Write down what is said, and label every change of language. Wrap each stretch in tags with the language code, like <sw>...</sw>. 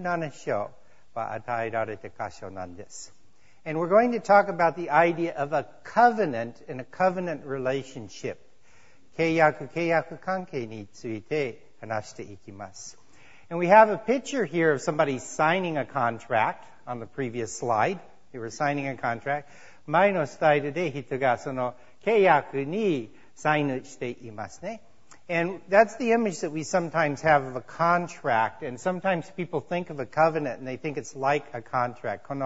<ja>今朝その創世記の学びを引き続いて17章は与えられた箇所なんです。</ja> <en>And we're going to talk about the idea of a covenant and a covenant relationship.</en> <ja>契約関係について話していきます。</ja> <en>And we have a picture here of somebody signing a contract on the previous slide. They were signing a contract.</en> <ja>前のスライドで人がその契約にサインしていますね。</ja> <en>And that's the image that we sometimes have of a contract. And sometimes people think of a covenant and they think it's like a contract.</en>